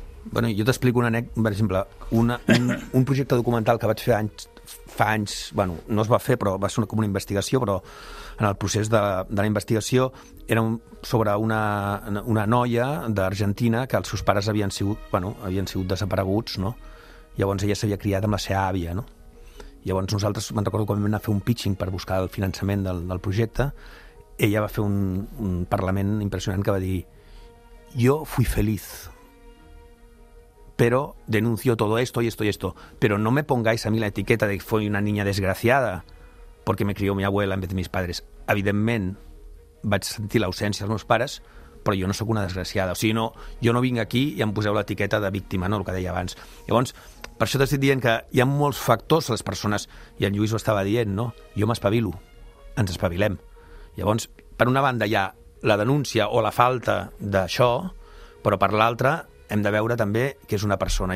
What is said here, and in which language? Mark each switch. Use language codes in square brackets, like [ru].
[ca] Bueno, jo t'explico una anècdota, per exemple, un projecte documental que vaig fer fa anys, bueno, no es va fer, però va ser com una investigació, però en el procés de la investigació era sobre una noia d'Argentina que els seus pares havien sigut desapareguts, no? Llavors ella s'havia criat amb la seva àvia, no? Llavors nosaltres, me'n recordo quan vam anar a fer un pitching per buscar el finançament del projecte, ella va fer un parlament impressionant que va dir: [es] "Yo fui feliz, pero denuncio todo esto y esto y esto, pero no me pongáis a mí la etiqueta de que fui una niña desgraciada porque me crió mi abuela en vez de mis padres. [ca] Evidentment, vaig sentir l'ausència dels meus pares, però jo no sóc una desgraciada. O sigui, no, jo no vinc aquí i em poseu l'etiqueta de víctima, no, el que deia abans." Llavors, per això t'estic dient que hi ha molts factors a les persones, i en Lluís ho estava dient, no? Jo m'espavilo, ens espavilem. Llavors, per una banda hi ha la denúncia o la falta d'això, però per l'altra hem de veure també que és una persona.